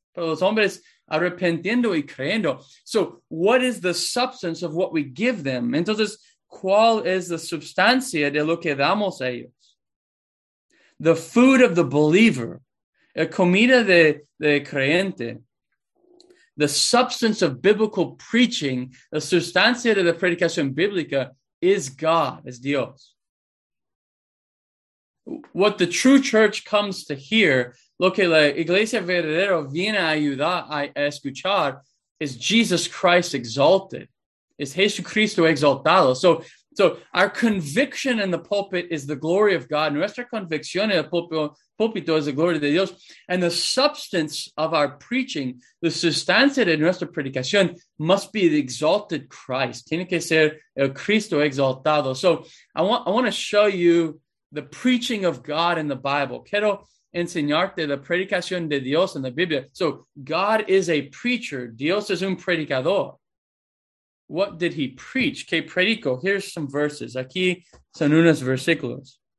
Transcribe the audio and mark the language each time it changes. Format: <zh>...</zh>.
<es>Pero los hombres arrepentiendo y creyendo.</es> <en>So what is the substance of what we give them?</en> <es>Entonces, ¿cuál es la substancia de lo que damos a ellos?</es> <en>The food of the believer.</en> <es>La comida de creyente,</es> <en>the substance of biblical preaching,</en> <es>la sustancia de la predicación bíblica,</es> <en>is God, is</en> <es>Dios.</es> <en>What the true church comes to hear,</en> <es>lo que la iglesia verdadera viene a ayudar a escuchar,</es> <en>is Jesus Christ exalted, is</en> <es>Jesucristo exaltado.</es> <en>So So our conviction in the pulpit is the glory of God.</en> <es>Nuestra convicción en el púlpito es la gloria de Dios.</es> <en>And the substance of our preaching,</en> <es>the sustancia de nuestra predicación, must be the exalted Christ. Tiene que ser el Cristo exaltado.</es> <en>So I want to show you the preaching of God in the Bible.</en> <es>Quiero enseñarte la predicación de Dios en la Biblia.</es> <en>So God is a preacher.</en> <es>Dios es un predicador.</es> <en>What did he preach?</en> <es>¿Qué predicó?</es> <en>Here's some verses.</en> <es>Aquí son unos versículos.</es>